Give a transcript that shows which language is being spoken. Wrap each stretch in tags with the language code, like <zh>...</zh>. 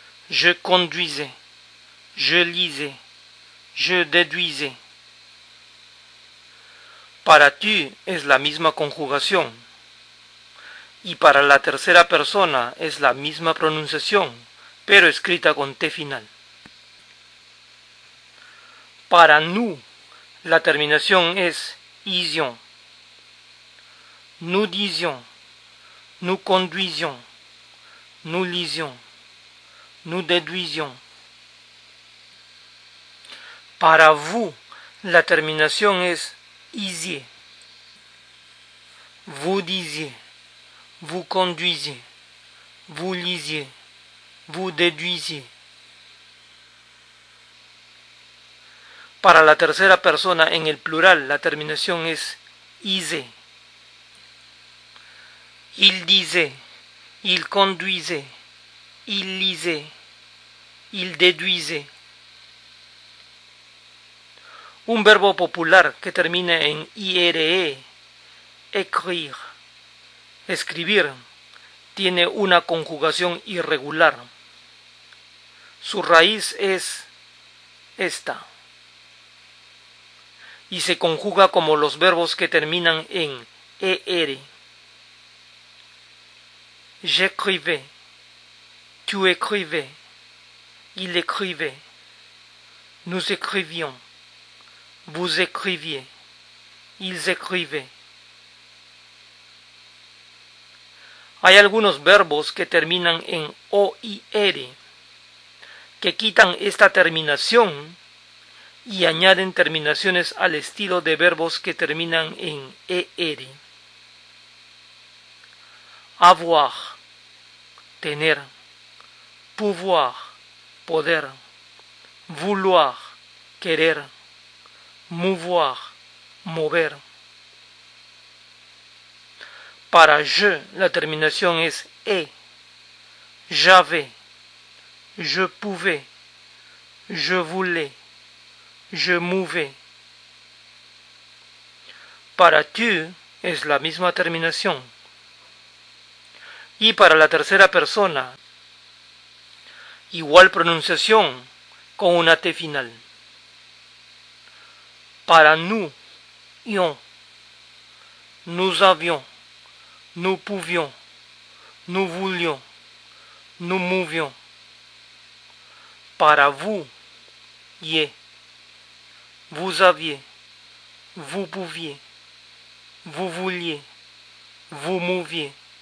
<fr>Je conduisais, je lisais, je déduisais.</fr> <es>Para tu es la misma conjugación. Y para la tercera persona es la misma pronunciación, pero escrita con T final. Para nous, la terminación es ision.</es> <fr>Nous disions, nous conduisions, nous lisions, nous déduisions.</fr> <es>Para vous, la terminación es isier.</es> <fr>Vous disiez, vous conduisiez, vous lisiez, vous déduisiez.</fr> <es>Para la tercera persona en el plural, la terminación es ise.</es> <fr>Il disait, il conduisait, il lisait, il déduisait.</fr> <es>Un verbo popular que termina en ire, écrire, escribir, tiene una conjugación irregular. Su raíz es esta. Y se conjuga como los verbos que terminan en er.</es> <fr>J'écrivais, tu écrivais, il écrivait, nous écrivions, vous écriviez, ils écrivaient.</fr> <es>Hay algunos verbos que terminan en oir, que quitan esta terminación y añaden terminaciones al estilo de verbos que terminan en er.</es> <fr>Avoir,</fr> <es>tener,</es> <fr>pouvoir,</fr> <es>poder,</es> <fr>vouloir,</fr> <es>querer,</es> <fr>mouvoir,</fr> <es>mover. Para je, la terminación es e,</es> <fr>j'avais, je pouvais, je voulais, je mouvais.</fr> <es>Para tu, es la misma terminación. Y para la tercera persona, igual pronunciación con una T final. Para</es> <fr>nous, yon, nous avions, nous pouvions, nous voulions, nous mouvions.</fr> <es>Para</es> <fr>vous, yé, vous aviez, vous pouviez, vous vouliez, vous mouviez.</fr>